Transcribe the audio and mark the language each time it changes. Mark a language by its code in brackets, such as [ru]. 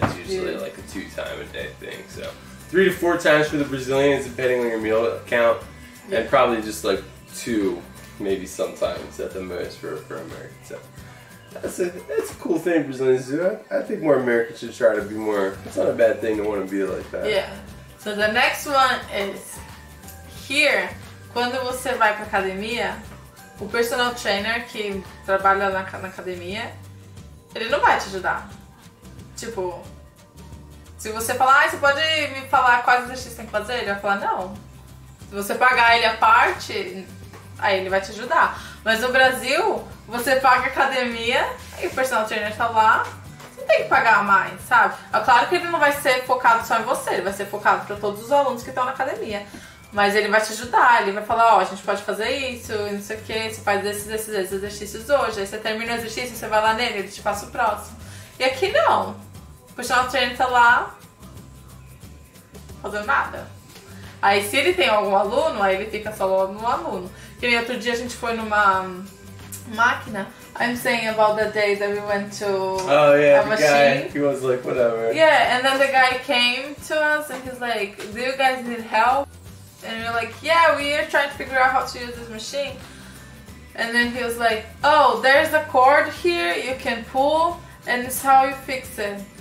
[en] It's usually like a 2-time-a-day thing. So 3 to 4 times for the Brazilians, depending on your meal count. Yeah. And probably just like 2, maybe sometimes at the most for Americans. So. That's a cool thing Brazilians do. I think more Americans should try to be more. It's not a bad thing to want to be like that. Yeah. So the next one is here. [pt] Quando você vai para academia, o personal trainer que trabalha na academia, ele não vai te ajudar. Tipo, se você falar, você pode me falar quais exercícios tem que fazer, ele vai falar não. Se você pagar ele a parte, aí ele vai te ajudar. Mas no Brasil, você paga a academia e o personal trainer tá lá, você tem que pagar mais, sabe? É claro que ele não vai ser focado só em você, ele vai ser focado pra todos os alunos que estão na academia. Mas ele vai te ajudar, ele vai falar, ó, a gente pode fazer isso, não sei o que, você faz esses exercícios hoje. Aí você termina o exercício, você vai lá nele, ele te passa o próximo. E aqui não. O personal trainer tá lá, fazendo nada. Aí se ele tem algum aluno, aí ele fica só no aluno. Que nem outro dia a gente foi numa máquina. [en] I'm saying about the day that we went to the machine. Guy, he was like, whatever. Yeah, and then the guy came to us and he's like, do you guys need help? And we're like, yeah, we are trying to figure out how to use this machine. And then he was like, oh, there's a cord here you can pull and it's how you fix it.